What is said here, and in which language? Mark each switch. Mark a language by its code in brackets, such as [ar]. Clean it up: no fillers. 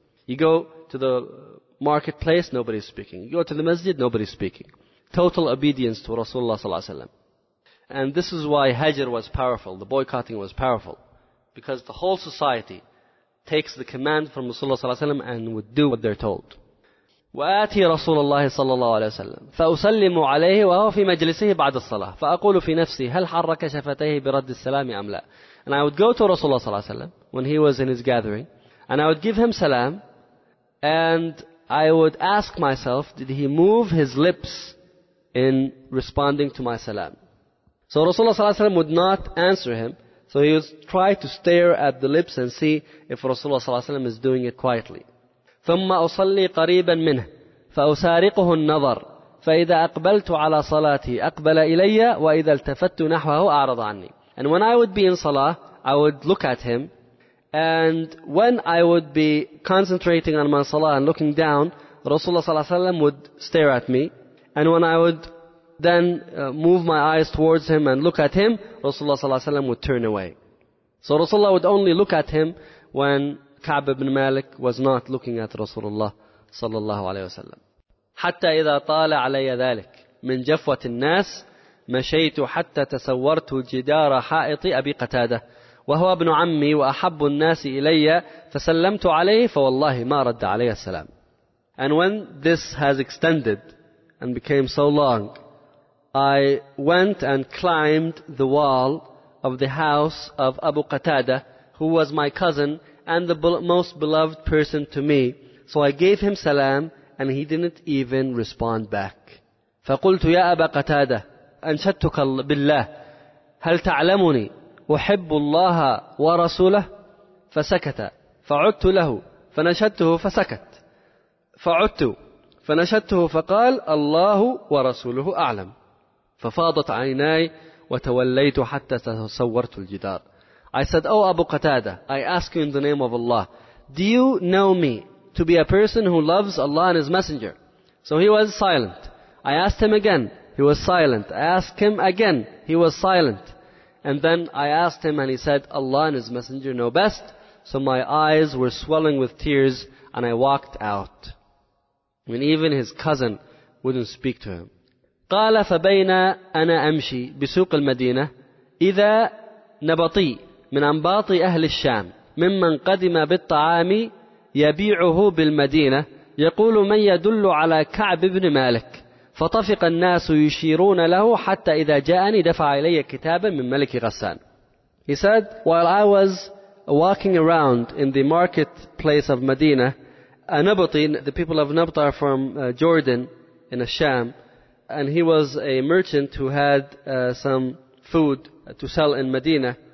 [en] You go to the marketplace, nobody's speaking. You go to the masjid, nobody's speaking. Total obedience to Rasulullah sallallahu alaihi wasallam. And this is why Hajr was powerful. The boycotting was powerful. Because the whole society takes the command from Rasulullah sallallahu alaihi wasallam and would do what they're told. [ar] وآتي رسول الله صلى الله عليه وسلم فأسلم عليه وهو في مجلسه بعد الصلاة فأقول في نفسي هل حرك شفتيه برد السلام أم لا. [en] And I would go to Rasulullah صلى الله عليه وسلم when he was in his gathering, and I would give him salam, and I would ask myself, did he move his lips in responding to my salam? So Rasulullah صلى الله عليه وسلم would not answer him, so he would try to stare at the lips and see if Rasulullah صلى الله عليه وسلم is doing it quietly. [ar] ثم أصلي قريبا منه فأسارقه النظر، فإذا أقبلت على صلاتي أقبل إلي، وإذا التفت نحوه أعرض عني. [en] And when I would be in salah, I would look at him. And when I would be concentrating on my salah and looking down, Rasulullah sallallahu alayhi wa sallam would stare at me. And when I would then move my eyes towards him and look at him, Rasulullah sallallahu alayhi wa sallam would turn away. So Rasulullah would only look at him when Ka'b ibn Malik was not looking at Rasulullah sallallahu alayhi wa sallam. [ar] حَتَّى إِذَا طَالَ عَلَيَّ ذَلِكَ مِنْ جَفْوَةِ النَّاسِ مَشَيْتُ حَتَّى تَسَوَّرْتُ جِدَارَ حَائِطِ أَبِي قَتَادَةَ وهو ابن عمي وأحب الناس إلي فسلمت عليه فوالله ما رد علي السلام. [en] And when this has extended and became so long, I went and climbed the wall of the house of Abu Qatada, who was my cousin and the most beloved person to me. So I gave him salam and he didn't even respond back. [ar] فقلت يا أبا قتادة أنشدتك بالله هل تعلمني أحب الله ورسوله؟ فسكت فعدت له فنشدته فسكت فعدت فنشدته فقال الله ورسوله أعلم. ففاضت عيناي وتوليت حتى تصورت الجدار. [en] I said, oh Abu Qatada, I ask you in the name of Allah, do you know me to be a person who loves Allah and His Messenger? So he was silent. I asked him again, he was silent. I asked him again, he was silent. And then I asked him and he said, Allah and His Messenger know best. So my eyes were swelling with tears and I walked out. And even his cousin wouldn't speak to him. [ar] قال فبين أنا أمشي بسوق المدينة إذا نبطي من أنباط أهل الشام ممن قدم بالطعام يبيعه بالمدينة يقول من يدل على كعب بن مالك فطفق الناس يشيرون له حتى إذا جاءني دفع إلي كتابا من ملك غسان. [en] He said, while I was walking around in the marketplace of Medina, Anabati, the people of Nabta are from Jordan in Asham, and he was a merchant who had some food to sell in Medina.